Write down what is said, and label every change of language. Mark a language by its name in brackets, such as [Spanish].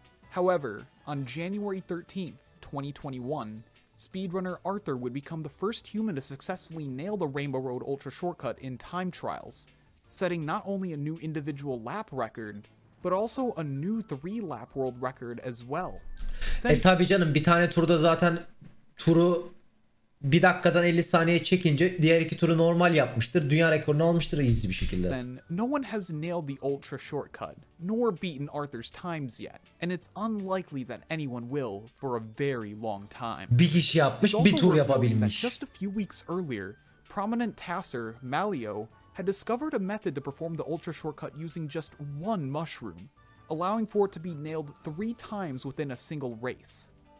[English] However, on January 13th, 2021, speedrunner Arthur would become the first human to successfully nail the Rainbow Road Ultra shortcut in time trials, setting not only a new individual lap record, but also a new 3-lap world record as well. [Turkish] Tabii canım, bir tane turda zaten turu 1 dakikadan 50 saniye çekince diğer iki turu normal yapmıştır. Dünya rekorunu almıştır hızlı bir şekilde. [English] Then, no one has nailed the ultra shortcut, nor beaten Arthur's times yet, and it's unlikely that anyone will for a very long time. [Turkish] Bir kişi yapmış, bir tur yapabilmiş. [English] Just a few weeks earlier, prominent Tasser, Malio, had discovered a method to perform the ultra shortcut using just one mushroom, allowing for it to be nailed 3 times within a single race.